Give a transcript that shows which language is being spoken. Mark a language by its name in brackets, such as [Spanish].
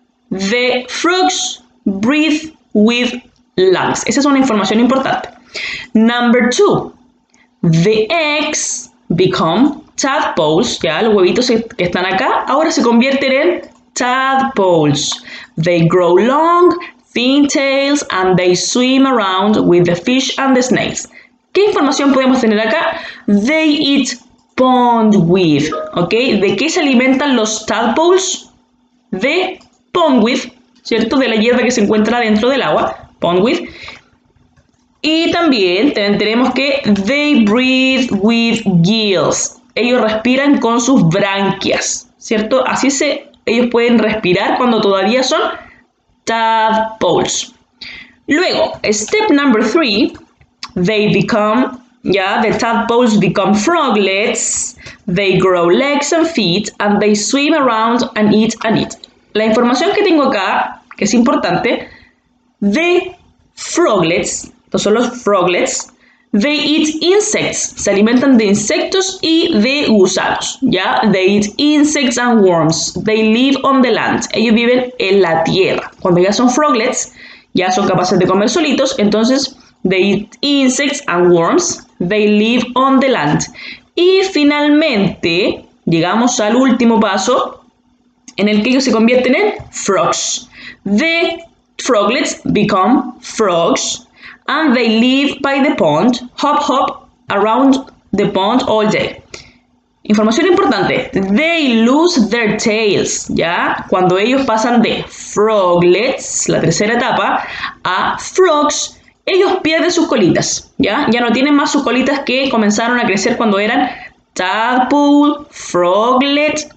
[English] The frogs breathe with lungs. [Spanish] Esa es una información importante. [English] Number two. The eggs become tadpoles. [Spanish] Ya, los huevitos que están acá ahora se convierten en tadpoles. [English] They grow long, thin tails, and they swim around with the fish and the snails. [Spanish] ¿Qué información podemos tener acá? [English] They eat pondweed. [Spanish] ¿Ok? ¿De qué se alimentan los tadpoles? De pondweed, ¿cierto? De la hierba que se encuentra dentro del agua. Pondweed. Y también tenemos que [English] they breathe with gills. [Spanish] Ellos respiran con sus branquias, ¿cierto? Así se, ellos pueden respirar cuando todavía son tadpoles. [English] Luego, step number three, they become, the tadpoles become froglets, they grow legs and feet, and they swim around and eat and eat. [Spanish] La información que tengo acá, que es importante, [English] the froglets, [Spanish] estos son los froglets, [English] they eat insects, [Spanish] se alimentan de insectos y de gusanos, ¿ya? [English] They eat insects and worms, they live on the land, [Spanish] ellos viven en la tierra. Cuando ya son froglets, ya son capaces de comer solitos, entonces [English] they eat insects and worms, they live on the land. [Spanish] Y finalmente, llegamos al último paso, en el que ellos se convierten en frogs. [English] The froglets become frogs, and they live by the pond, hop hop around the pond all day. [Spanish] Información importante, [English] they lose their tails, ¿ya? [Spanish] Cuando ellos pasan de froglets, la tercera etapa, a frogs, ellos pierden sus colitas, ¿ya? Ya no tienen más sus colitas que comenzaron a crecer cuando eran tadpole, froglet.